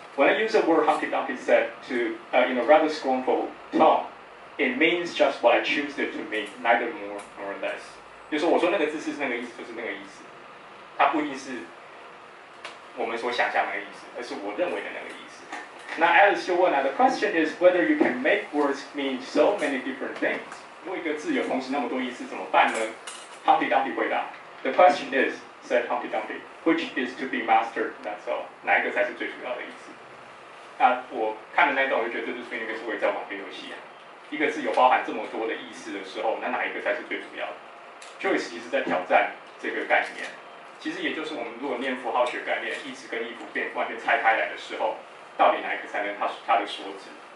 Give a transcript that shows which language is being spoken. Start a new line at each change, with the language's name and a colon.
English: When I use the word Humpty Dumpty said to in a rather scornful tone, it means just what I choose it to mean, neither more nor less。
Chinese: 就是我说那个字是那个意思就是那个意思，它不一定是我们所想象的那个意思，而是我认为的那个意思。那 Alice 就问
English: The question is whether you can make words mean so many different things。
Chinese: 如果一个字有同时那么多意思怎么办呢？
English: Humpty Dumpty
Chinese: 回答
English: The question is said Humpty Dumpty which is to be mastered, that's all。
Chinese: 哪一个才是最主要的意思？那我看的那段我就觉得这就是那个是我在网飞游戏啊，一个字有包含这么多的意思的时候，那哪一个才是最主要的？ Joyce 其实在挑战这个概念，其实也就是我们如果念符号学概念意思跟意符变完全拆开来的时候，到底哪一个才能它的所指？